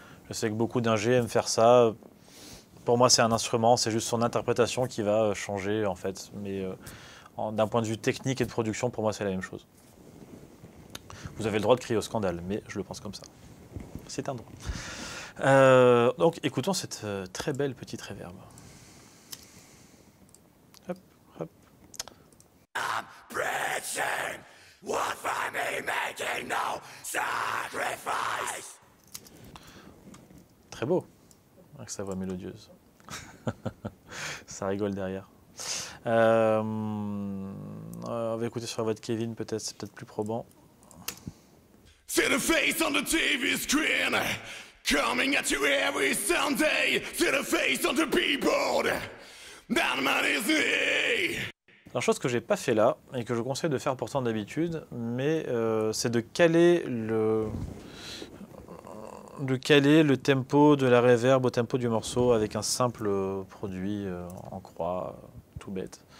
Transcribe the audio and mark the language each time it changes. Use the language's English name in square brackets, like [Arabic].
[French] Je sais que beaucoup d'ingé aiment faire ça. Pour moi, c'est un instrument, c'est juste son interprétation qui va changer en fait. Mais d'un point de vue technique et de production, pour moi, c'est la même chose. Vous avez le droit de crier au scandale, mais je le pense comme ça. C'est un droit. Donc écoutons cette très belle petite réverbe. Hop, hop. [English] I'm preaching, what for me making no sacrifice. [French] Très beau, avec sa voix mélodieuse. Ça rigole derrière. On va écouter sur la voix de Kevin, peut-être, c'est peut-être plus probant. [English] See the face on the TV screen, coming at you every Sunday. See the face on the billboard, that man is me. [French] La chose que j'ai pas fait là, et que je conseille de faire pourtant d'habitude, mais c'est de caler le tempo de la reverb au tempo du morceau avec un simple produit en croix, tout bête.